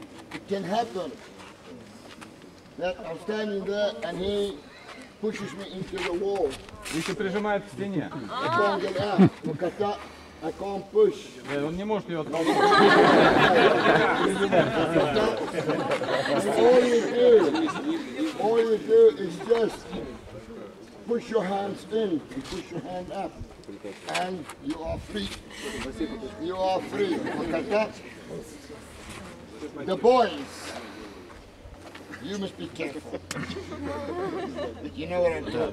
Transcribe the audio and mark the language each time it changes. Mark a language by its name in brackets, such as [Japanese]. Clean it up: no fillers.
[English] It can happen that I'm standing there and he pushes me into the wall. [Russian] Если прижимает к стене. [English] I can't get out. I can't push. [Russian] Он не может ее оттолкнуть. [English] All you do is just push your hands in, you push your hand up, and you are free. You are free. Look at that. The boys, you must be careful. You know what I'm talking about.